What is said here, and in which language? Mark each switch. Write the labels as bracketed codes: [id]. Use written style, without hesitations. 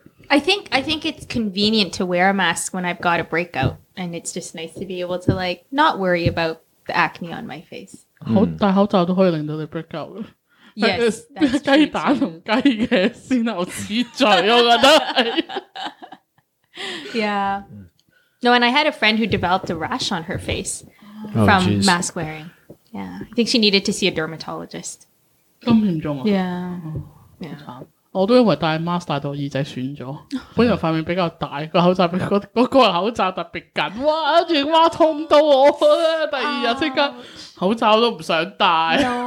[en] I think it's convenient to wear a mask when I've got a breakout, and it's just nice to be able to like not worry about the acne on my face. [yue] 戴口罩都可以令到你 breakout。 [en] Yes, [yue] 鸡蛋同鸡嘅先后次序，我觉得系。 [en] Yeah. No, and I had a friend who developed a rash on her face from mask wearing. Yeah, I think she needed to see a dermatologist. [yue] 咁严重啊 [en] ！Yeah，、 [yue] 我都因为戴 mask 戴到耳仔损咗，本人块面比较大，个口罩嗰个口罩特别紧，哇！跟住哇痛到我啊！第二日即刻口罩都唔想戴。